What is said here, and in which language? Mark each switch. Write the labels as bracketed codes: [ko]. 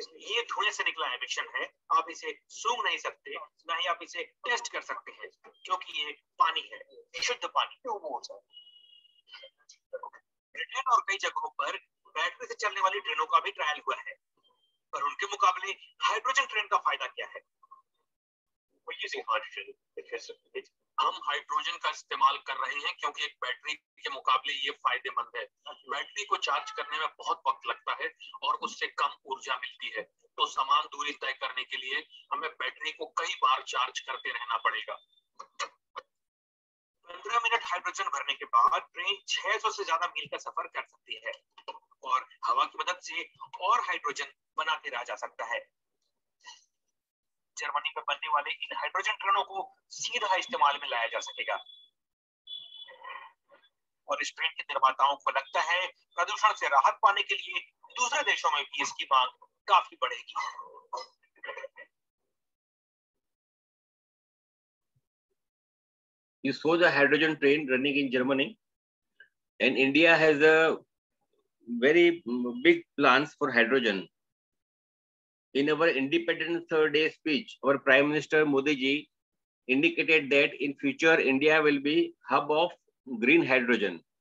[hi] ये धुएं से निकला एमिशन है, आप इसे सूंघ नहीं सकते, ना ही आप इसे टेस्ट कर सकते हैं क्योंकि ये पानी है, शुद्ध पानी। ब्रिटेन और कई जगहों पर बैटरी से चलने वाली ट्रेनों का भी ट्रायल हुआ है। पर उनके मुकाबले हाइड्रोजन ट्रेन का फायदा क्या है? [en] We're using hydrogen because it's... [hi] हम हाइड्रोजन का इस्तेमाल कर रहे हैं क्योंकि एक बैटरी के मुकाबले ये फायदेमंद है। बैटरी को चार्ज करने में बहुत वक्त लगता है और उससे कम ऊर्जा मिलती है, तो समान दूरी तय करने के लिए हमें बैटरी को कई बार चार्ज करते रहना पड़ेगा। 15 मिनट हाइड्रोजन भरने के बाद ट्रेन 600 से ज्यादा मील का सफर कर सकती है और हवा की मदद से और हाइड्रोजन बना के रहा जा सकता है। जर्मनी में बनने वाले इन हाइड्रोजन ट्रेनों को सीधा इस्तेमाल में लाया जा सकेगा और इस ट्रेन के निर्माताओं को लगता है प्रदूषण से राहत पाने के लिए दूसरे देशों में भी इसकी मांग काफी बढ़ेगी। [en] You saw the hydrogen train running in Germany, and India has a very big plans for hydrogen. In our Independence Day speech, our Prime Minister Modi ji indicated that in future India will be hub of green hydrogen.